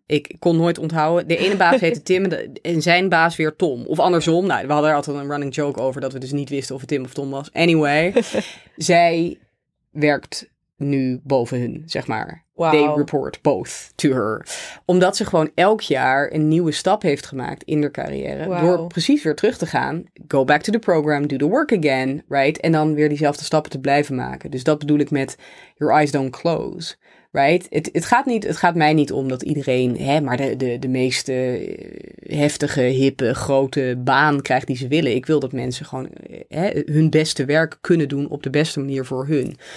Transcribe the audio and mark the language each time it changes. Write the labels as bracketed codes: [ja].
[nl] Ik kon nooit onthouden. De ene baas heette Tim en zijn baas weer Tom. Of andersom. Nou, we hadden er altijd een running joke over dat we dus niet wisten of het Tim of Tom was. Anyway, zij werkt nu boven hun, zeg maar. Wow. [en] They report both to her. [nl] Omdat ze gewoon elk jaar een nieuwe stap heeft gemaakt in haar carrière. Wow. Door precies weer terug te gaan. [en] Go back to the program, do the work again, right? [nl] En dan weer diezelfde stappen te blijven maken. Dus dat bedoel ik met [en] your eyes don't close, right? [nl] Het gaat mij niet om dat iedereen, maar de meeste heftige, hippe, grote baan krijgt die ze willen. Ik wil dat mensen gewoon hun beste werk kunnen doen op de beste manier voor hun.